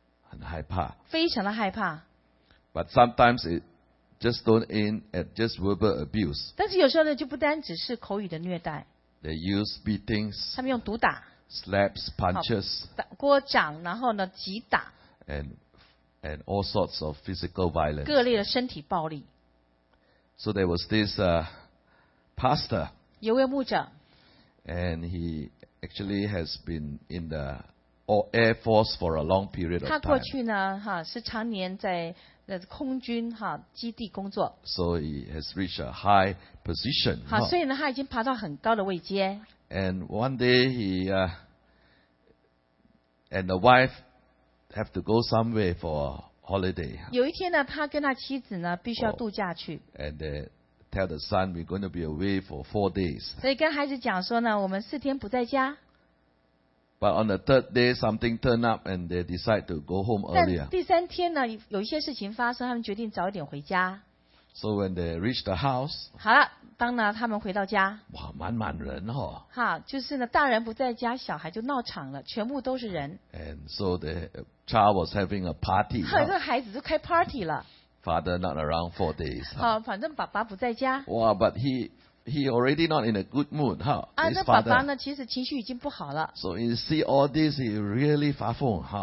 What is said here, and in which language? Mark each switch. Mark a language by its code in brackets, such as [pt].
[zh] 很害怕，非常的害怕。 [en] But sometimes it just don't end at just verbal abuse. [zh] 但是有时候呢，就不单只是口语的虐待。 [en] They use beatings. [zh] 他们用毒打。 [en] Slaps, punches. [zh] 锅掌，然后呢，击打。 [en] And all sorts of physical violence. [zh] 各类的身体暴力。 [en] So there was this pastor. [zh] 有位牧者。 [en] And he actually has been in the. Or Air Force for a long period of time. [zh] 他过去呢，哈，是常年在空军哈基地工作。 [en] So he has reached a high position. [zh] 好，所以呢，他已经爬到很高的位阶。 [en] And one day he and the wife have to go somewhere for a holiday. [zh] 有一天呢，他跟他妻子呢必须要度假去。 [en] And tell the son we're going to be away for 4 days. [zh] 所以跟孩子讲说呢，我们四天不在家。 [en] But on the third day, something turned up, and they decide to go home earlier. [zh] 第三天呢，有一些事情发生，他们决定早一点回家。 [en] So when they reach the house, [zh] 好了，当呢他们回到家，哇，满满人哦。哈，就是呢，大人不在家，小孩就闹场了，全部都是人。 [en] And so the child was having a party. [zh] 哈，这孩子就开 party 了。 [en] Father not around 4 days. [zh] 好，反正爸爸不在家。 [en] 哇 ，but he. He already not in a good mood, huh? [zh] 啊，那爸爸呢？其实情绪已经不好了。 [en] So he see all this, he really [zh] 发疯哈。